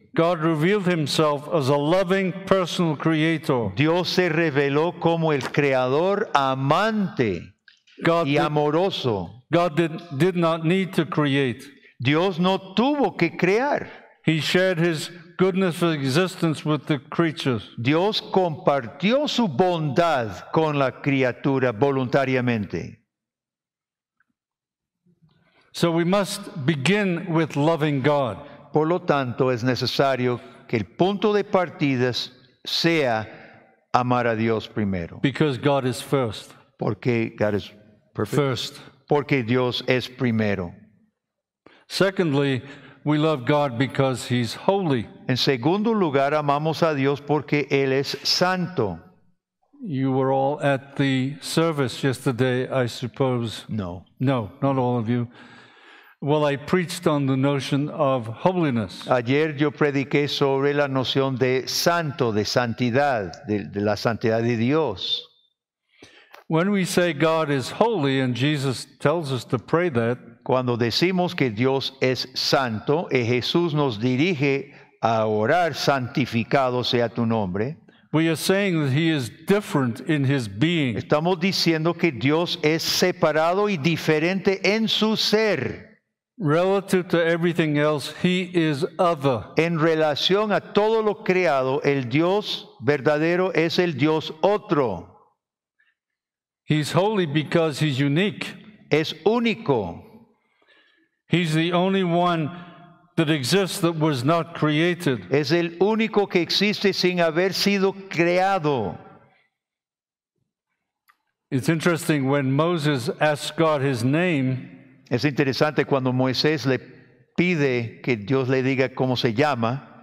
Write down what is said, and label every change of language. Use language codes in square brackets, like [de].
[en] God revealed himself as a loving personal creator. [es] Dios se reveló como el creador amante. [en] God [es] y amoroso. [en] God did not need to create. [es] Dios no tuvo que crear. [en] He shared his goodness of existence with the creatures. [es] Dios compartió su bondad con la criatura voluntariamente. [en] So we must begin with loving God. [es] Por lo tanto, es necesario que el punto de partida sea amar a Dios primero. [en] Because God is first. [es] Porque [en] God is perfect. First. [es] Porque Dios es primero. [en] Secondly, we love God because he's holy. [es] En segundo lugar, amamos a Dios porque él es santo. [en] You were all at the service yesterday, I suppose. No. No, not all of you. Well, I preached on the notion of holiness. [es] Ayer yo prediqué sobre la noción de santo, de santidad, de la santidad de Dios. [en] When we say God is holy, and Jesus tells us to pray that, [es] cuando decimos que Dios es santo, y Jesús nos dirige a orar, santificado sea tu nombre, [en] we are saying that he is different in his being. [es] Estamos diciendo que Dios es separado y diferente en su ser. [en] Relative to everything else, he is other. [es] En relación a todo lo creado, el Dios verdadero es el Dios otro. [en] He's holy because he's unique. [es] Es único. [en] He's the only one that exists that was not created. [es] Es el único que existe sin haber sido creado. [en] It's interesting when Moses asks God his name. [es] Es interesante cuando Moisés le pide que Dios le diga cómo se llama.